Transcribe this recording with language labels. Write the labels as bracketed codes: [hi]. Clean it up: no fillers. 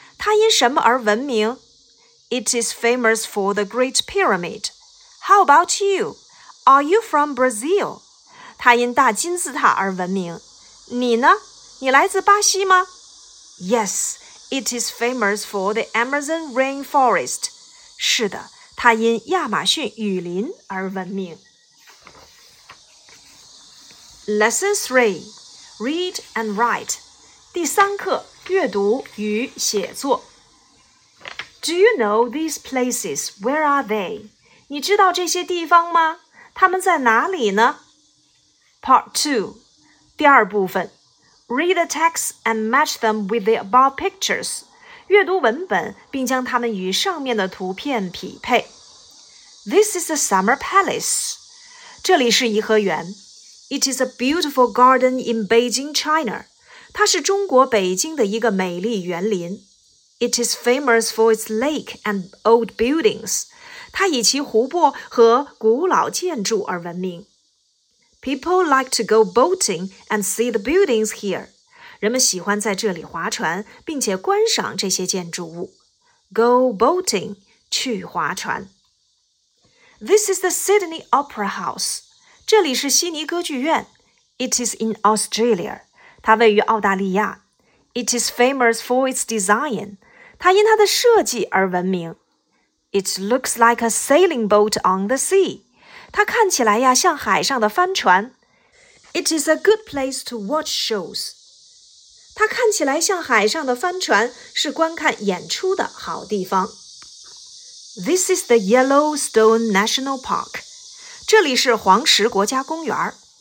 [zh] 它因什么而闻名 [en] It is famous for the Great Pyramid How about you? Are you from Brazil? [zh] 它因大金字塔而闻名你呢？你来自巴西吗 [en] ？Yes, it is famous for the Amazon rainforest. [zh] 是的，它因亚马逊雨林而闻名。 [en] Lesson 3, read and write. [zh] 第三课，阅读与写作。 [en] Do you know these places? Where are they? [zh] 你知道这些地方吗？它们在哪里呢 ？ [en] Part 2. [zh] 第二部分 , [en] read the text and match them with the above pictures, [zh] 阅读文本并将它们与上面的图片匹配。 [en] This is a summer palace. [zh] 这里是颐和园。 [en] It is a beautiful garden in Beijing, China. [zh] 它是中国北京的一个美丽园林。 [en] It is famous for its lake and old buildings. [zh] 它以其湖泊和古老建筑而闻名。 [en] People like to go boating and see the buildings here. [zh] 人们喜欢在这里划船并且观赏这些建筑物。 [en] Go boating, [zh] 去划船。 [en] This is the Sydney Opera House. [zh] 这里是悉尼歌剧院。 [en] It is in Australia. [zh] 它位于澳大利亚。 [en] It is famous for its design. [zh] 它因它的设计而闻名。 [en] It looks like a sailing boat on the sea. [zh] 它看起来呀像海上的帆船。 [en] It is a good place to watch shows. [zh] 它看起来像海上的帆船是观看演出的好地方。 [en] This is the Yellowstone National Park. [zh] 这里是黄石国家公园。